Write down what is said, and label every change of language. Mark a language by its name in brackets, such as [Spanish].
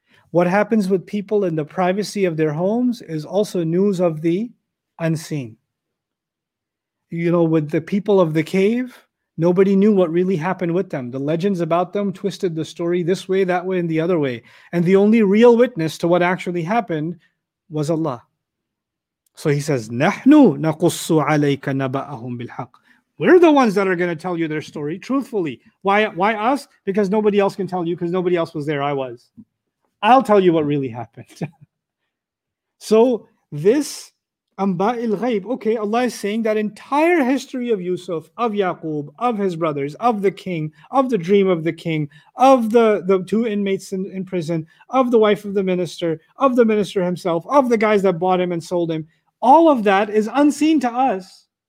[English] What happens with people in the privacy of their homes is also news of the unseen. You know, with the people of the cave, nobody knew what really happened with them. The legends about them twisted the story this way, that way, and the other way. And the only real witness to what actually happened was Allah. So He says, [Arabic] نَحْنُ نَقُصُّ عَلَيْكَ نَبَأَهُمْ بِالْحَقِّ. [English] We're the ones that are going to tell you their story truthfully. Why us? Because nobody else can tell you, because nobody else was there. I was. I'll tell you what really happened. So this Amba'il Ghaib, okay, Allah is saying that entire history of Yusuf, of Yaqub, of his brothers, of the king, of the dream of the king, of the two inmates in prison, of the wife of the minister himself, of the guys that bought him and sold him, all of that is unseen to us.